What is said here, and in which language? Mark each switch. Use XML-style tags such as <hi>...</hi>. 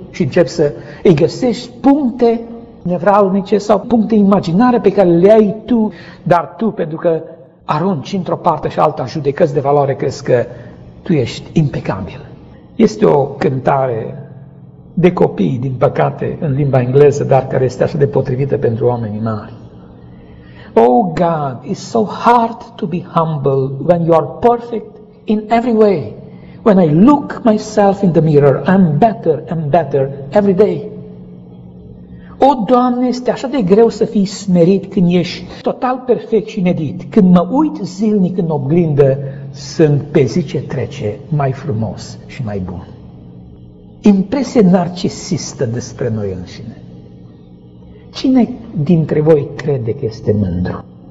<ro>Și încep să îi găsești puncte nevralnice sau puncte imaginare pe care le ai tu, dar tu, pentru că arunci într-o parte și alta judecăți de valoare, crezi că tu ești impecabil. Este o cântare de copii, din păcate, în limba engleză, dar care este așa de potrivită pentru oamenii mari.</ro> <en>Oh God, it's so hard to be humble when you are perfect in every way. When I look myself in the mirror, I'm better and better every day.</en> <ro>O, Doamne, este așa de greu să fii smerit când ești total perfect și inedit. Când mă uit zilnic în oglindă, sunt pe zi ce trece mai frumos și mai bun. Impresie narcisistă despre noi înșine. Cine dintre voi crede că este mândru?</ro>